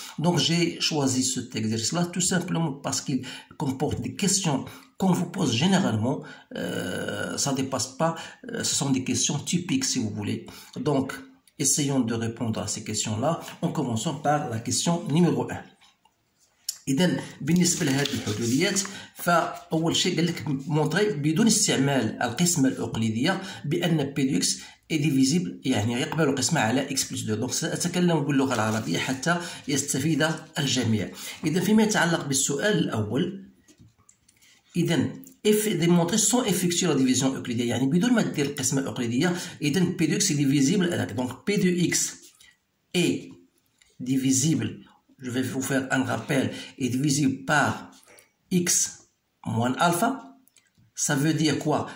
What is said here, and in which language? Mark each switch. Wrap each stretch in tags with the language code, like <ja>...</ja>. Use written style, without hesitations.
<fr>Donc j'ai choisi cet exercice-là tout simplement parce qu'il comporte des questions qu'on vous pose généralement, ça ne dépasse pas, ce sont des questions typiques si vous voulez. Donc, essayons de répondre à ces questions-là en commençant par la question numéro 1.</fr> <ar>إذن بالنسبة لهذه الحدوديات فأول شيء قال لك مونتري بدون استعمال القسمة الأقليدية بأن</ar> <fr>P de X est divisible</fr> <ar>يعني يقبل القسمة على</ar> <fr>X plus 2</fr> <ar>دونك سأتكلم باللغة العربية حتى يستفيد الجميع. إذن فيما يتعلق بالسؤال الأول إذن</ar> <fr>démontrer sans effectuer la division euclidienne</fr> <ar>يعني بدون ما دير القسمة الأقليدية إذن</ar> <fr>P de X est divisible</fr> <ar>دونك P de X est divisible.</ar> <fr>Je vais vous faire un rappel, est divisible par x moins alpha. Ça veut dire quoi?</fr>